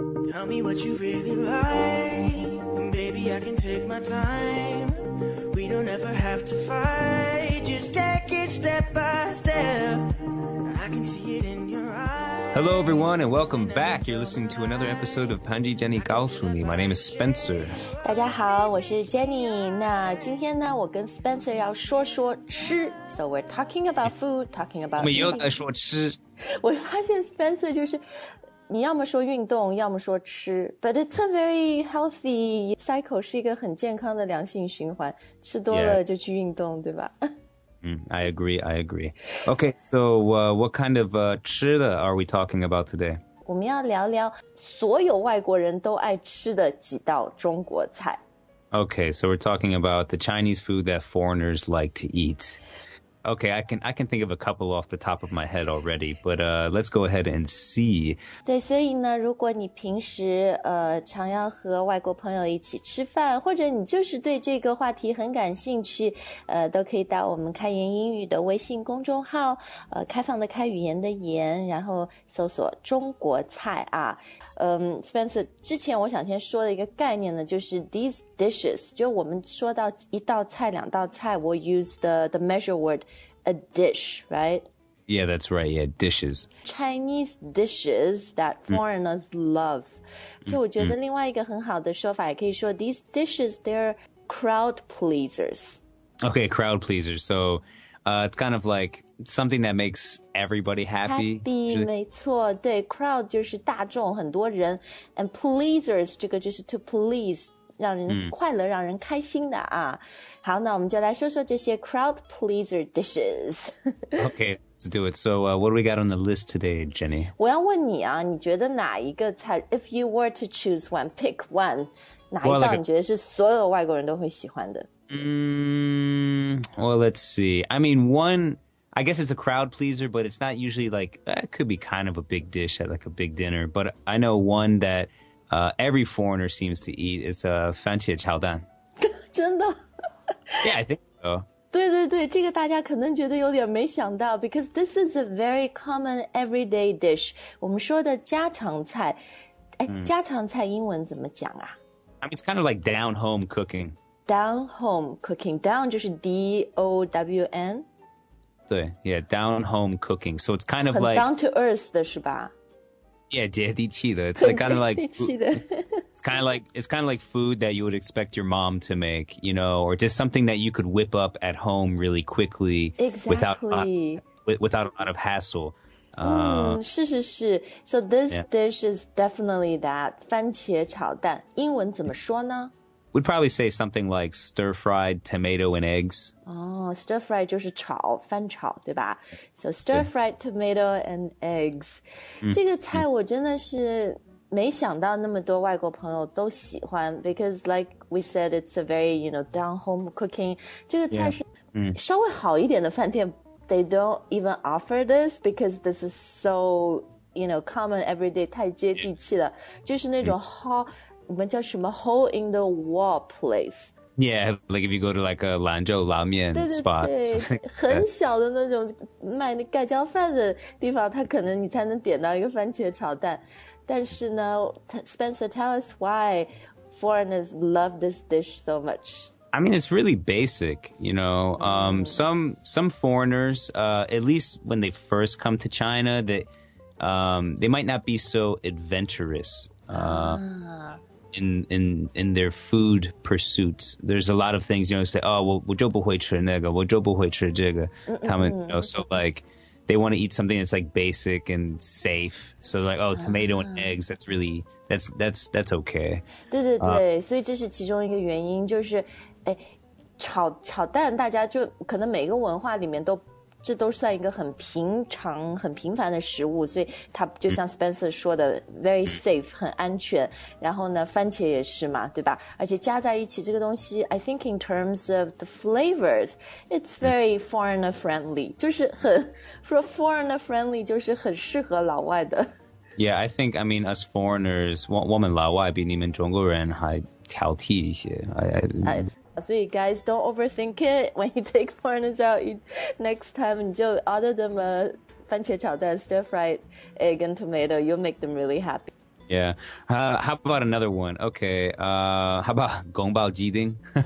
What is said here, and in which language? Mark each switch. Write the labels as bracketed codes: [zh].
[en] Tell me what you really like. Baby, I can take my time. We don't ever have to fight. Just take it step by step. I can see it in your eyes. Hello, everyone, and welcome back. You're listening to another episode of Panji Jenny 告诉你. My name is Spencer. [zh] 大家好，我是 Jenny. 那今天呢，我跟 Spencer 要说说吃。 [en] So we're talking about food, talking about eating. [zh] 我们又在说吃。我发现 Spencer 就是你要么说运动，要么说吃 ， [en] but it's a very healthy cycle， [zh] 是一个很健康的良性循环。吃多了就去运动， [en] yeah. [zh] 对吧？ [en] I agree. I agree. Okay, so what kind of [zh] 吃的 [en] are we talking about today? [zh] 我们要聊聊所有外国人都爱吃的几道中国菜。 [en] Okay, so we're talking about the Chinese food that foreigners like to eat. Okay, I can think of a couple off the top of my head already, but let's go ahead and see. [zh] 对，所以呢，如果你平时常要和外国朋友一起吃饭，或者你就是对这个话题很感兴趣，都可以到我们开言英语的微信公众号，开放的开语言的言，然后搜索中国菜啊。 Spencer, 之前我想先说的一个概念呢，就是 [en] these dishes, [zh] 就我们说到一道菜、两道菜 [en] we'll use the measure word a dish, right? Yeah, that's right, yeah, dishes. Chinese dishes that foreigners love. [zh] 就我觉得另外一个很好的说法也可以说 [en] these dishes, they're crowd pleasers. Okay, crowd pleasers, so... it's kind of like something that makes everybody happy. Happy, [zh] 没错，对 ,crowd 就是大众很多人 [en] and pleasers [zh] 这个就是 [en] to please, [zh] 让人快乐让人开心的啊。好那我们就来说说这些 crowd pleaser dishes. [en] Okay, let's do it. So what do we got on the list today, Jenny? [zh] 我要问你啊你觉得哪一个菜 [en] if you were to choose one, pick one, [zh] 哪一道你觉得是所有外国人都会喜欢的 [en] Well, let's see. I mean, one, I guess it's a crowd pleaser, but it's not usually like, it could be kind of a big dish at like a big dinner. But I know one that every foreigner seems to eat is a fan jie chao dan. [zh] 真的? [en] Yeah, I think so. [zh] 对对对这个大家可能觉得有点没想到 [en] because this is a very common everyday dish. [zh] 我们说的家常菜。家常菜英文怎么讲啊? [en] I mean, it's kind of like down home cooking. Down home cooking. [zh] Down 就是 D-O-W-N? 对 [en] yeah, down home cooking. So it's kind of like... down to earth [zh] 的是吧 [en] Yeah, [zh] 接地气的 [en] It's like, kind of like... [zh] 接地气的 [en] it's kind of like food that you would expect your mom to make, you know, or just something that you could whip up at home really quickly. Exactly. Without a lot of hassle. [zh] 是是是 [en] So this dish is definitely that. [zh] 番茄炒蛋英文怎么说呢 [en] We'd probably say something like stir-fried tomato and eggs. [zh] Oh, stir-fried 就是炒,翻炒,对吧? [en] So stir-fried tomato and eggs. [zh] 这个菜我真的是没想到那么多外国朋友都喜欢 [en] because like we said, it's a very, you know, down-home cooking. [zh] 这个菜是稍微好一点的饭店, [en] they don't even offer this because this is so, you know, common everyday, [zh] 太接地气了。就是那种好我们叫什么 [en] hole in the wall place. Yeah, like if you go to like a 兰州拉面 spot. [zh] 对对对很小的那种卖那盖浇饭的地方它可能你才能点到一个番茄炒蛋。但是呢 [en] Spencer, tell us why foreigners love this dish so much. I mean, it's really basic, you know. Some foreigners, at least when they first come to China, they might not be so adventurous. In their food pursuits. There's a lot of things, you know, say, oh, [zh] 我就不会吃那个,我就不会吃这个。他们, [en] you know, so like, they want to eat something that's like basic and safe. So like, oh, tomato and eggs, that's okay. [zh] 对对对,所以这是其中一个原因,就是,炒蛋大家就可能每个文化里面都这都算一个很平常很平凡的食物所以它就像 Spencer 说的 [en] very safe [zh] 很安全然后呢番茄也是嘛对吧而且加在一起这个东西 [en] I think in terms of the flavors it's very foreigner friendly [zh] 就是很 [en] for foreigner friendly [zh] 就是很适合老外的 [en] Yeah I think I mean us foreigners [zh] 我们老外比你们中国人还挑剔一些 [en] 所以 guys, don't overthink it. When you take foreigners out, next time, [zh] 你就 [en] order them a 番茄炒蛋 stir-fried egg and tomato, you'll make them really happy. Yeah. How about another one? Okay. How about 宫保鸡丁?